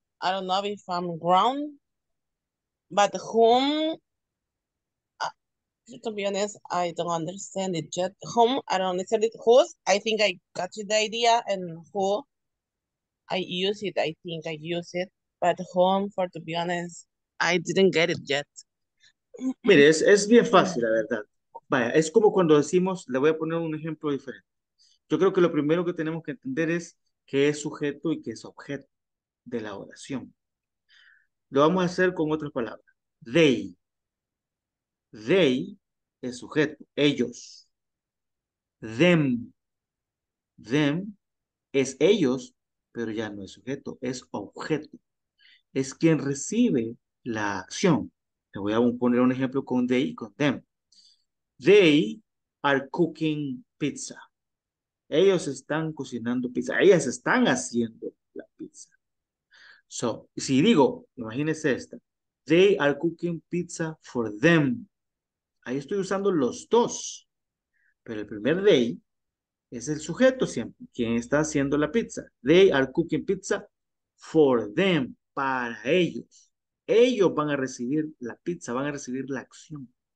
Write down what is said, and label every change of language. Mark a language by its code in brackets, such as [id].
[en] I don't know if I'm wrong, but whom, to be honest, I don't understand it yet. Whom, I don't understand it. Whose, I think I got the idea, and who, I think I use it, but home, for to be honest, I didn't get it yet. [es] Mire, es bien fácil, la verdad. Vaya, es como cuando decimos, le voy a poner un ejemplo diferente. Yo creo que lo primero que tenemos que entender es qué es sujeto y qué es objeto de la oración. Lo vamos a hacer con otras palabras. They. They es sujeto. Ellos. Them. Them es ellos, pero ya no es sujeto, es objeto. Es quien recibe la acción. Te voy a poner un ejemplo con they y con them. [en] They are cooking pizza. [es] Ellos están cocinando pizza. Ellas están haciendo la pizza. So, si digo, imagínese esta. [en] They are cooking pizza for them. [es] Ahí estoy usando los dos. Pero el primer they es el sujeto siempre, quien está haciendo la pizza. [en] They are cooking pizza for them, [es] para ellos. Ellos van a recibir la pizza, van a recibir la acción.